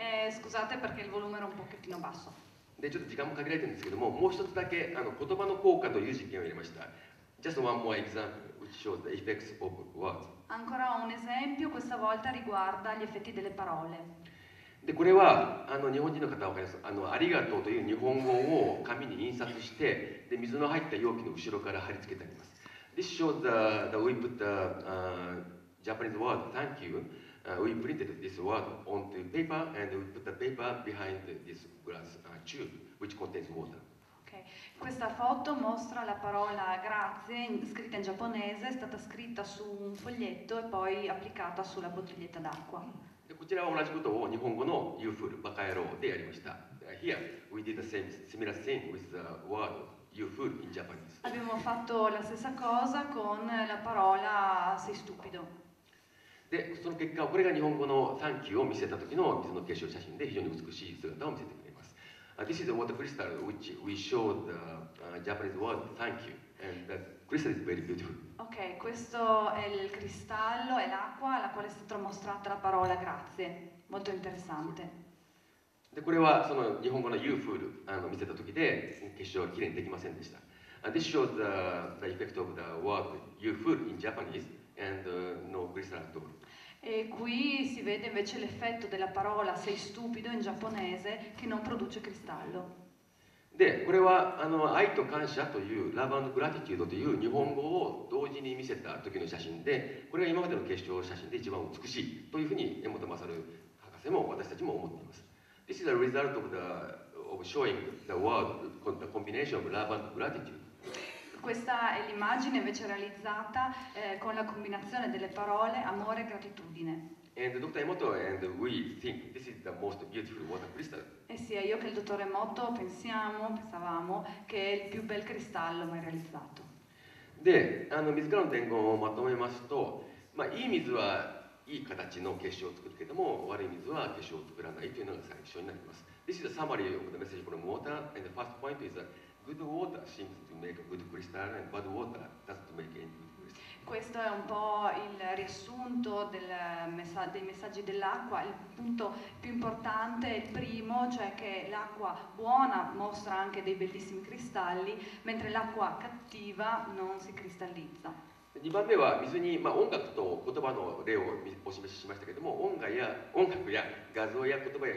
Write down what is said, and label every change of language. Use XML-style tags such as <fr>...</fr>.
<it>Scusate perché il volume era un pochettino basso.</it> <ja>で、ちょっと時間も限られてるんですけども、もう一つだけ言葉の効果という実験を入れました。</ja> <en>Just one more example which shows the effects of words.</en> <it>Ancora un esempio, questa volta riguarda gli effetti delle parole.</it> <ja>で、これはあの日本人の方は分かります。あの、ありがとうという日本語を紙に印刷して、で水の入った容器の後ろから貼り付けてあります。</ja> <en>This shows that we put the Japanese word thank you. We printed this word onto paper and we put the paper behind this glass tube which contains water.</en> <it>Questa foto mostra la parola grazie scritta in giapponese, è stata scritta su un foglietto e poi applicata sulla bottiglietta d'acqua.</it> <ja>こちらは同じことを日本語の</ja> <en>You fool,</en> <ja>バカ野郎でやりました。</ja> <en>Here, we did the same, similar thing with the word You fool in Japanese.</en> <it>Abbiamo fatto la stessa cosa con la parola Sei stupido.</it> <ja>で、その結果、これが日本語の</ja> <en>Thank you</en> <ja>を見せた時の水の結晶写真で非常に美しい姿を見せてくれます。</ja> <en>This is a water crystal which we showed the Japanese word Thank you. And that crystal is very beautiful.</en> <it>Ok, questo è il cristallo, è l'acqua alla quale è stata mostrata la parola grazie. Molto interessante.</it> <ja>で、これはその日本語の</ja> <en>You fool</en> <ja>を見せた時で結晶はきれいにできませんでした。</ja> <en>This shows the effect of the word You fool in Japanese and no crystal at all.</en> <it>E qui si vede invece l'effetto della parola Sei stupido in giapponese che non produce cristallo.</it> <ja>で、これはあの愛と感謝という</ja> <en>Love and Gratitude</en> <ja>という日本語を同時に見せた時の写真で、これが今までの結晶写真で一番美しいというふうに江本勝博士も私たちも思っています。</ja> <en>This is a result of, of showing the word, the combination of Love and Gratitude.</en> <it>Questa è l'immagine invece realizzata con la combinazione delle parole amore e gratitudine.</it> <en>And Dr. Emoto and we think this is the most beautiful water crystal.</en> <it>Eh sì, io che il dottor Emoto pensavamo che è il più bel cristallo mai realizzato.</it> <ja>で、あの水からの伝言をまとめますと、まあ、いい水はいい形の結晶を作るけども、悪い水は結晶を作らないというのが最初になります。</ja> <en>This is a summary of the message from water, and the first point is that good water seems to make a good crystal, and bad water doesn't make any.</en> <it>Questo è un po' il riassunto dei messaggi dell'acqua. Il punto più importante è il primo, cioè che l'acqua buona mostra anche dei bellissimi cristalli, mentre l'acqua cattiva non si cristallizza. Il secondo è che l'acqua buona mostra anche dei bellissimi cristalli, mentre l'acqua cattiva non si cristallizza.</it>